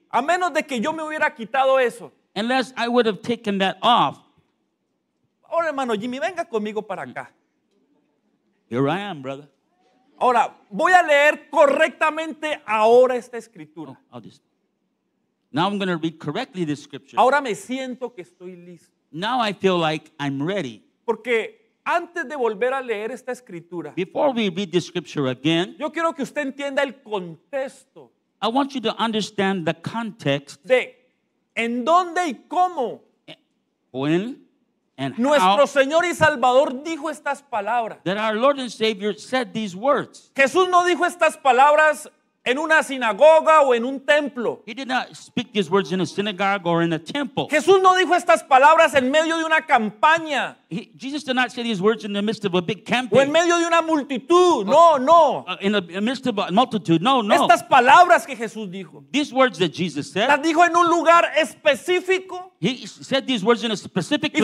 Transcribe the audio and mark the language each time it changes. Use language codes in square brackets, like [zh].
[es] A menos de que yo me hubiera quitado eso. [en] Unless I would have taken that off. [es] Ahora, hermano Jimmy, venga conmigo para acá. [en] Here I am, brother. [es] Ahora, voy a leer correctamente ahora esta escritura. [en] Oh, now I'm going to read correctly this scripture. [es] Ahora me siento que estoy listo. [en] Now I feel like I'm ready. [es] Porque antes de volver a leer esta escritura, [en] before we read this scripture again, [es] yo quiero que usted entienda el contexto. [en] I want you to understand the context. [es] De en dónde y cómo. [en] When and how [es] nuestro Señor y Salvador dijo estas palabras. [en] That our Lord and Savior said these words. [es] Jesús no dijo estas palabras en una sinagoga o en un templo. [en] He did not speak these words in a synagogue or in a temple. [es] Jesús no dijo estas palabras en medio de una campaña. [en] Jesus did not say these words in the midst of a big campaign. [es] O en medio de una multitud. No, no. [en] In the midst of a multitude. No, no. [es] Estas palabras que Jesús dijo. [en] These words that Jesus said. [es] Las dijo en un lugar específico. [en] He said these words in a specific place.